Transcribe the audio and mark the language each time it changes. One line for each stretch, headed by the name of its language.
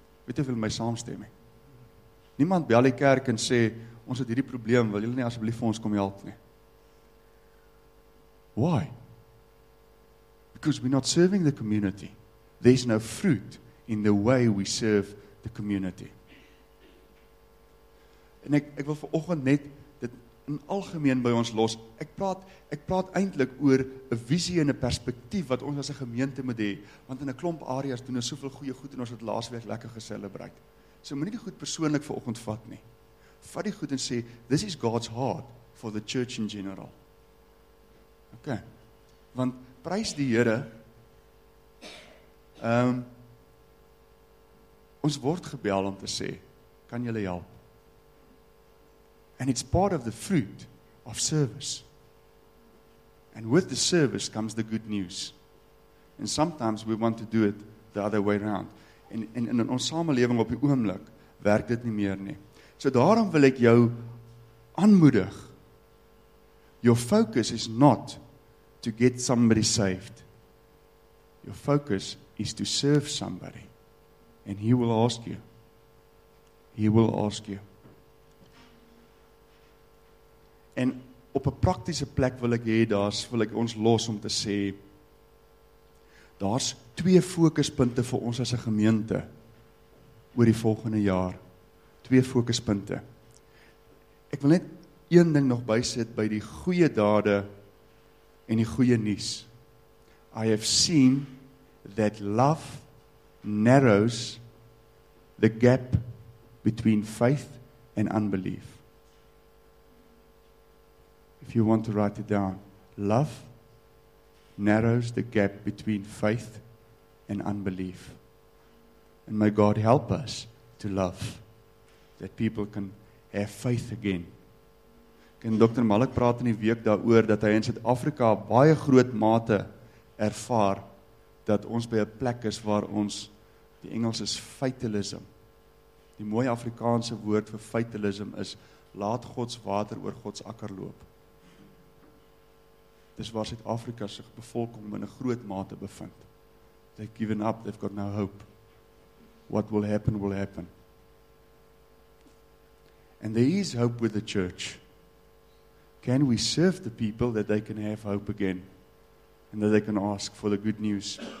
Afrikaans: Weet jy of hulle my saamstem nie? Niemand bel die kerk en sê ons het hierdie probleem, wil julle nie asseblief vir ons kom help nie?
English: Why? Because we're not serving the community. There's no fruit in the way we serve the community.
Afrikaans: En ek wil vanoggend net dit in algemeen by ons los. Ek praat eintlik oor 'n visie en 'n perspektief wat ons as 'n gemeente moet hê, want in 'n klomp areas doen ons soveel goeie goed en ons het laasweek lekker geselebreer. So moenie die goed persoonlik vanoggend vat nie. Vat die goed en sê
English: this is God's heart for the church in general.
Afrikaans: Okay. Want prys die Here. Ons word gebel om te sê, kan jy help?
English: And it's part of the fruit of service. And with the service comes the good news. And sometimes we want to do it the other way around.
Afrikaans: And in ons samelewing op die oomblik werk dit nie meer nie. So daarom wil ek jou aanmoedig.
English: Your focus is not to get somebody saved. Your focus is to serve somebody. And he will ask you. He will ask you.
Afrikaans: En op 'n praktiese plek wil ek hê, wil ek ons los om te sê, daar's twee fokuspunte vir ons as 'n gemeente oor die volgende jaar. Twee fokuspunte. Ek wil net een ding nog bysit by die goeie dade en die goeie nuus.
English: I have seen that love narrows the gap between faith and unbelief. If you want to write it down, love narrows the gap between faith and unbelief. And may God help us to love, that people can have faith again.
Afrikaans: Ken Dr. Malik praat in die week daaroor dat hy in Suid-Afrika baie groot mate ervaar dat ons by 'n plek is waar ons, die Engels is fatalism. Die mooi Afrikaanse woord vir fatalism is laat God se water oor God se akker loop. Dis waar Suid-Afrika se bevolking in 'n groot mate bevind.
English: They've given up, they've got no hope. What will happen will happen. And there is hope with the church. Can we serve the people that they can have hope again and that they can ask for the good news?